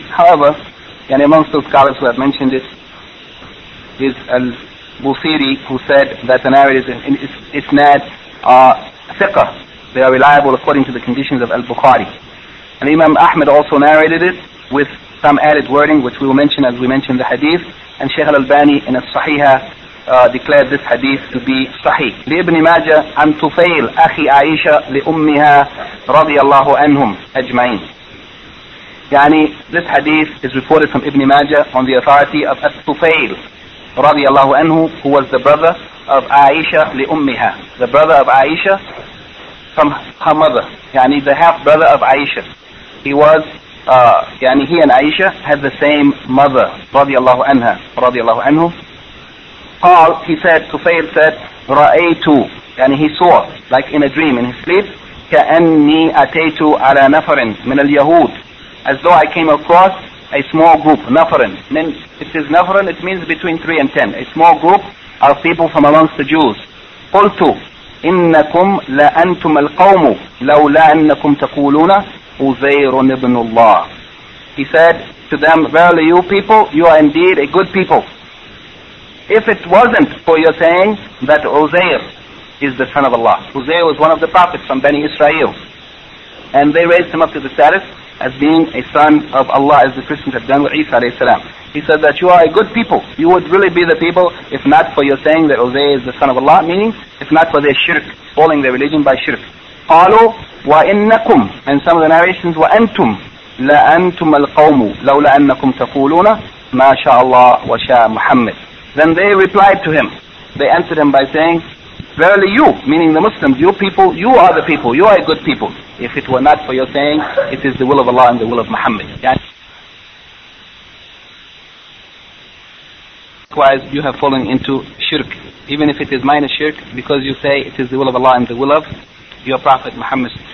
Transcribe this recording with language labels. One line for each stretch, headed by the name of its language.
English: However, and amongst those scholars who have mentioned it, is Al-Busiri, who said that the narrators in its isnad are thicker. They are reliable according to the conditions of Al-Bukhari. And Imam Ahmed also narrated it with some added wording, which we will mention as we mention the hadith. And Shaykh al-Albani in al-Sahihah declared this hadith to be sahih.
Arabic: لابن ماجة أن تفيل أخي عائشة لأمها رضي الله عنهم أجمعين.
English: يعني this hadith is reported from Ibn Majah on the authority of al-Tufail
Arabic: رضي الله عنه,
English: who was the brother of Aisha لأمها, the brother of Aisha from her mother, يعني the half-brother of Aisha. He was يعني he and Aisha had the same mother
Arabic: رضي الله عنها رضي الله عنه.
English: قال, he said, Tufail said, رأيت, يعني he saw, like in a dream, in his sleep,
Arabic: كأني أتيت على نفر من اليهود,
English: as though I came across a small group, Nafarin. It says Nafarin, it means between 3 and 10, a small group of people from amongst the Jews.
Arabic: قلت إنكم لأنتم القوم لولا أنكم تقولون عزير ابن الله.
English: He said to them, verily you people, you are indeed a good people, if it wasn't for your saying that Uzair is the son of Allah. Uzair was one of the prophets from Bani Israel, and they raised him up to the status as being a son of Allah, as the Christians have done with Isa alayhi salam. He said that you are a good people, you would really be the people if not for your saying that Uzair is the son of Allah, meaning if not for their shirk, falling their religion by shirk.
Arabic: قالوا وإنكم,
English: and some of the narrations,
Arabic: وأنتم لأنتم القوم لولا أنكم تقولون ما شاء الله وشاء محمد.
English: Then they replied to him, they answered him by saying, verily you, meaning the Muslims, you people, you are the people, you are a good people, if it were not for your saying, it is the will of Allah and the will of Muhammad. Yeah? Likewise, you have fallen into shirk, even if it is minor shirk, because you say it is the will of Allah and the will of your Prophet Muhammad.